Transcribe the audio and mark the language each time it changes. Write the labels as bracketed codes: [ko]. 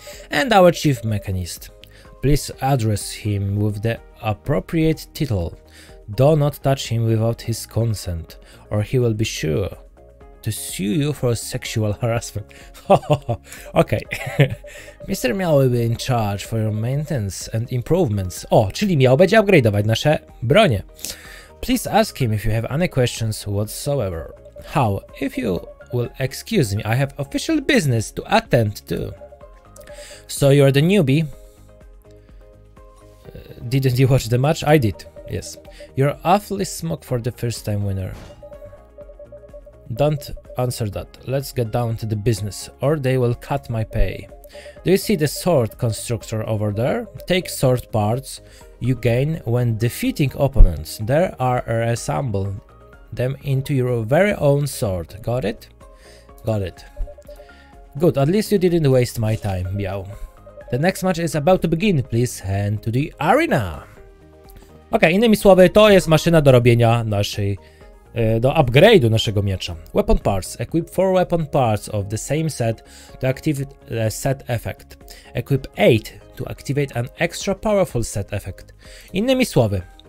[en] And our chief mechanist. Please address him with the appropriate title. Do not touch him without his consent, or he will be sure to sue you for sexual harassment. Okay. Mr. Miał will be in charge for your maintenance and improvements. [pl] O, czyli Miał będzie upgrade'ować nasze bronie. [en] Please ask him if you have any questions whatsoever. How? If you will excuse me, I have official business to attend to. So you're the newbie. Didn't you watch the match? I did, yes. You're awfully smug for the first time winner. Don't answer that. Let's get down to the business or they will cut my pay. Do you see the sword constructor over there? Take sword parts you gain when defeating opponents. There are assemble them into your very own sword. Got it? Got it. Good, at least you didn't waste my time, Biao. The next match is about to begin, please hand to the arena. [pl] Okay, innymi słowy, to jest maszyna do robienia naszej, do upgrade'u naszego miecza. [en] Weapon parts. Equip 4 weapon parts of the same set to activate the set effect. Equip 8 to activate an extra powerful set effect. [pl] Innymi słowy.